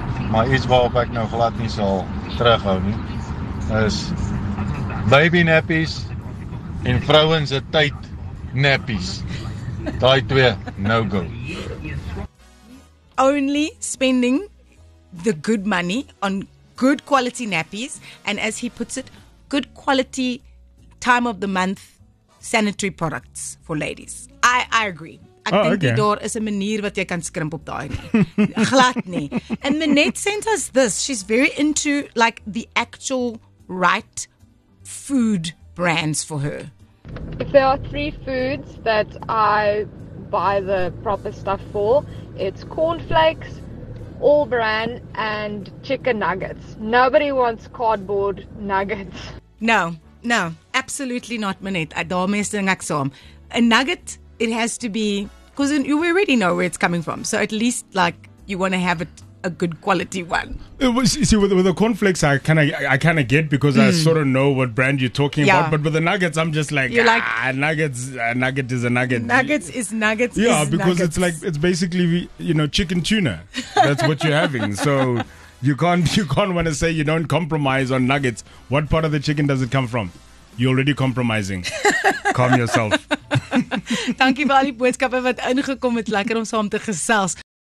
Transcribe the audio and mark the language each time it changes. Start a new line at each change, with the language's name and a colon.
Afrikaans: Maar iets waarop ek nou glad nie sal terughou nie, is baby nappies en vrouwens se tyd nappies. Daai twee,
English: no go. Only spending the good money on good quality nappies and as he puts it, good quality time of the month sanitary products for ladies. I agree.
Afrikaans: Ek dink okay. Die daar is 'n manier wat jy kan skrimp op daai nie. Glad nie.
English: And Minette sent us this. She's very into like the actual right food brands for her. If there are three foods that I buy the proper stuff for, it's cornflakes, all bran and chicken nuggets. Nobody wants cardboard nuggets. No, absolutely not, Minette.
Afrikaans: Daarmee sê ek saam.
English: A nugget, it has to be... Because you already know where it's coming from. So at least, like, you want to have a good quality one. See, with the cornflakes, I kind of get because I sort of know what brand you're talking about. But with the nuggets, I'm just like, a nugget is a nugget. Nuggets. It's like, it's basically, you know, chicken tuna. That's what you're having. So you can't want to say you don't compromise on nuggets. What part of the chicken does it come from? You're already compromising. Calm yourself.
Afrikaans: Dankie vir al die boodskappe wat ingekom het. Lekker om saam te gesels.